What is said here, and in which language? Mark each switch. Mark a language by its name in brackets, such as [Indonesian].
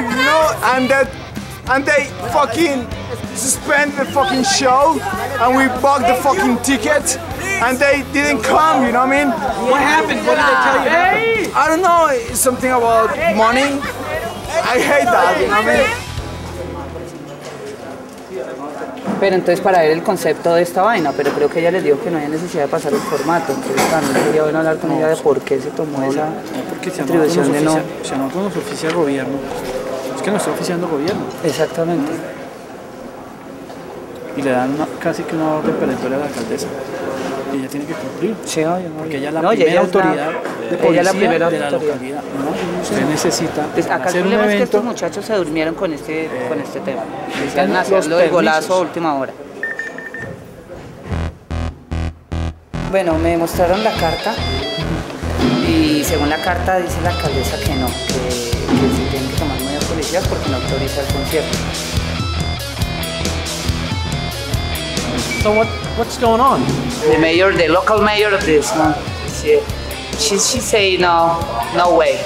[English] You know, and they fucking suspend the fucking show, and we bought the fucking ticket, and they didn't come. You know what I mean? What happened? What did they tell you? I don't know. Something about money. I hate that. You know what I mean? [Spanish] Pero entonces para él el concepto de esta vaina, pero creo que ella les dijo que no había necesidad de pasar el formato. Entonces también quería bueno hablar con ella de por qué se tomó esa atribución de no. Si a nosotros nos oficia el gobierno, es que nos está oficiando el gobierno. Exactamente. Y le dan casi que una orden perentoria a la alcaldesa. Y ella tiene que cumplir. Sí, obvio. Porque ella es la primera autoridad de policía de la localidad. Usted necesita hacer un evento. Acá el problema es que estos muchachos se durmieron con este tema. Están haciendo el golazo a última hora. Bueno, me mostraron la carta. Y según la carta dice la alcaldesa que no. Que se tienen que tomar medidas policiales porque no autoriza el concierto. [English] So what's going on? The mayor, the local mayor of this one, she say no way.